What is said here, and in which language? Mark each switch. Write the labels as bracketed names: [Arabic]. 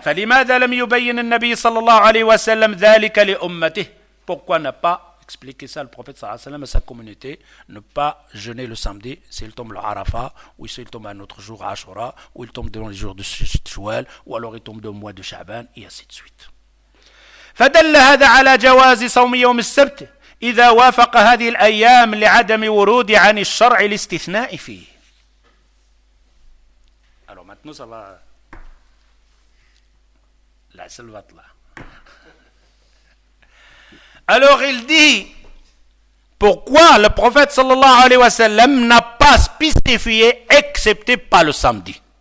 [Arabic] فلماذا لم يبين النبي صلى الله عليه وسلم ذلك لأمته؟ [French] Pourquoi ne pas expliquer ça le prophète sallallahu alayhi wa sallam à sa communauté, ne pas jeûner le samedi s'il tombe le Arafat, ou s'il tombe un autre jour, Ashura, ou il tombe dans les jours de Shawwal, ou alors il tombe dans le mois de Sha'ban, et ainsi de suite. [Arabic] فدل هذا على جواز صوم يوم السبت إذا وافق هذه الأيام لعدم ورود عن الشرع الاستثناء فيه. [French] Alors maintenant ça va, la seule va être là. Alors il dit pourquoi le prophète sallallahu alayhi wa sallam n'a pas spécifié excepté pas le samedi.